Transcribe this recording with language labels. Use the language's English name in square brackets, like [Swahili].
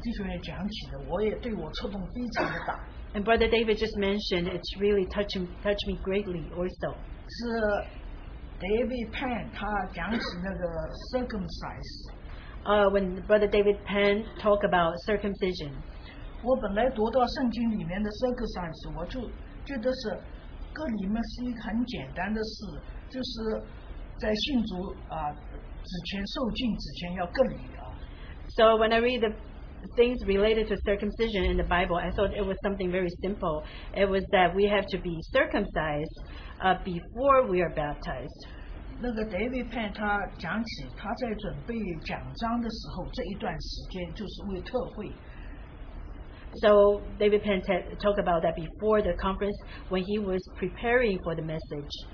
[Chinese] 那还有一件刚刚简弟兄也讲起的，我也对我触动非常的大。 [English] And Brother David just mentioned it's really touched me greatly also. [Chinese] 是 David Penn他讲起那个 circumcise. [English] When Brother David Penn talked about circumcision. [Chinese] 我本来读到圣经里面的circumcise， 我就觉得是割礼嘛是一个很简单的事， 就是在信主， 之前受浸之前要割礼。 [English] So when I read the things related to circumcision in the Bible, I thought it was something very simple. It was that we have to be circumcised before we are baptized. [Chinese] 那个 David Penn他讲起他在准备讲章的时候，这一段时间就是为特会。So [English] David Penn talked about that before the conference when he was preparing for the message.